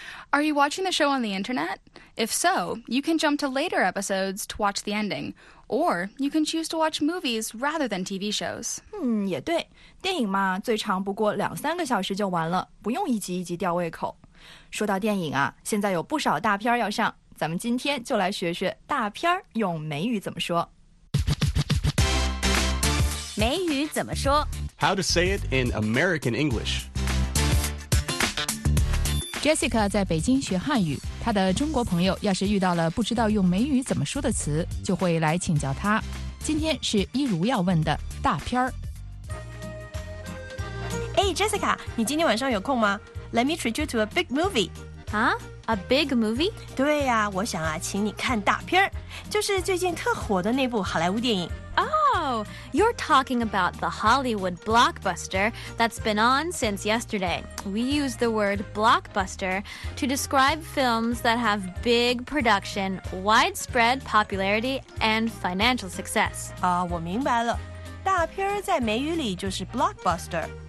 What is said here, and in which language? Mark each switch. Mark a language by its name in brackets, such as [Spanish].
[English] Are you watching the show on the internet? If so, you can jump to later episodes to watch the ending, or you can choose to watch movies rather than TV shows. [Chinese] 也对，电影嘛，最长不过两三个小时就完了，不用一集一集吊胃口。说到电影啊，现在有不少大片要上，咱们今天就来学学大片用美语怎么说。美语怎么说 [English] ？How to say it in American English? [Chinese] Jessica 在北京学汉语，她的中国朋友要是遇到了不知道用美语怎么说的词，就会来请教她。今天是一如要问的大片。哎 ，Jessica， 你今天晚上有空吗？ [English] Let me treat you to a big movie. Huh? A big movie? [Chinese] 对呀、啊，我想啊，请你看大片儿，就是最近特火的那部好莱坞电影。 [English] Oh, you're talking about the Hollywood blockbuster that's been on since yesterday. We use the word blockbuster to describe films that have big production, widespread popularity, and financial success. [Chinese] 啊、oh, ，我明白了，大片儿在美语里就是 blockbuster.